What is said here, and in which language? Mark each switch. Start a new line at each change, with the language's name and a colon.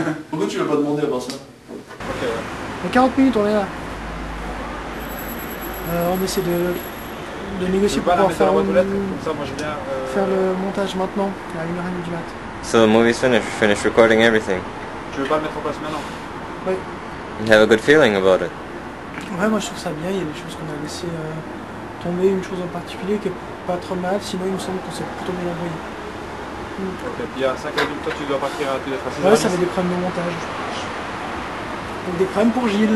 French: Pourquoi tu ne l'as pas demandé avant ça? En 40 minutes, on est là. On essaie de négocier pour pouvoir faire le montage maintenant, à 1h30 du mat.
English: So the movie's finished, you finished recording everything.
French: Tu veux pas le mettre en place maintenant? Oui.
English: You have a good feeling about it.
French: Ouais, moi je trouve ça bien, il y a des choses qu'on a laissé tomber, une chose en particulier qui est pas trop mal, sinon il me semble qu'on s'est plutôt bien envoyé. Ok, puis il y a 5 minutes, toi tu dois partir à tes affaires. Ouais, ça avait des problèmes de montage. Donc des problèmes pour Gilles.